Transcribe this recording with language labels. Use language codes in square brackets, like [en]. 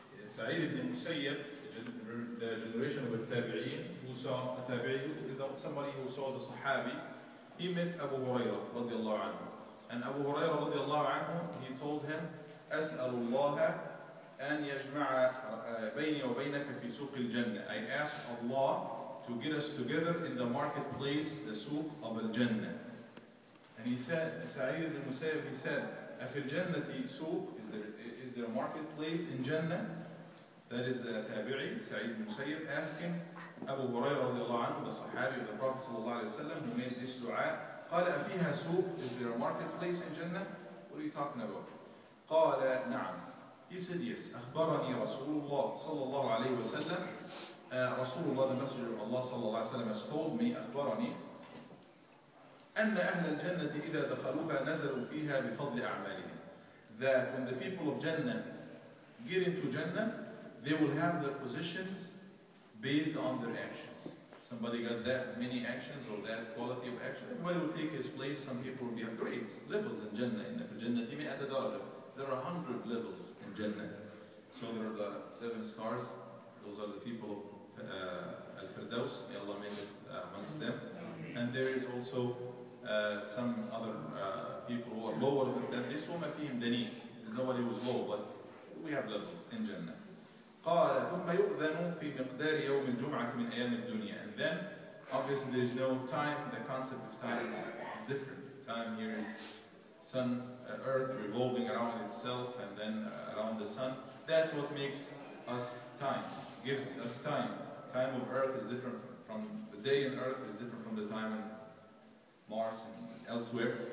[en] سعيد بن المسيب, the generation of التابعين, who saw التابعي, is that somebody who saw the صحابي. He met Abu Huraira رضي الله عنه. [ar] And Abu Huraira رضي الله عنه, [en] he told him, [ar] أسأل الله أن يجمع بيني وبينك في سوق الجنة. [en] I ask Allah to get us together in the marketplace, the سوق of الجنة. And he said, سعيد بن المسيب, he said, [ar] أفي الجنة سوق, [en] is there a marketplace in Jannah? That is تابعي, سعيد بن المسيب, asking أبو هريرة رضي الله عنه, the صحابي, the Prophet صلى الله عليه وسلم, who made this دعاء, [ar] قال أفيها سوق, [en] is there a marketplace in Jannah? What are you talking about? [ar] قال نعم. [en] He said yes. [ar] أخبرني رسول الله صلى الله عليه وسلم, رسول الله, [en] the messenger of Allah [ar] صلى الله عليه وسلم, [en] has told me, [ar] أخبرني, أن أهل الجنة إذا دخلوها نزلوا فيها بفضل أعمالهم. [en] That when the people of Jannah get into Jannah, they will have their positions based on their actions. Somebody got that many actions or that quality of action, everybody will take his place. Some people will be at grades, levels in Jannah. [ar] إن في الجنة مئة درجة. [en] There are 100 levels in Jannah. So there are the 7 stars. Those are the people of Al-Firdaus. May Allah make us amongst them. And there is also some other people who are lower than this. [ar] وما فيهم دنيء. [en] There's nobody who's low, but we have levels in Jannah. [ar] قال ثم يؤذن في مقدار يوم الجمعة من أيام الدنيا. [en] And then, obviously, there is no time. The concept of time is different. Time here is sun, earth revolving around itself, and then around the sun. That's what makes us time. Gives us time. Time of earth is different from the day in earth is different from the time in Mars and elsewhere.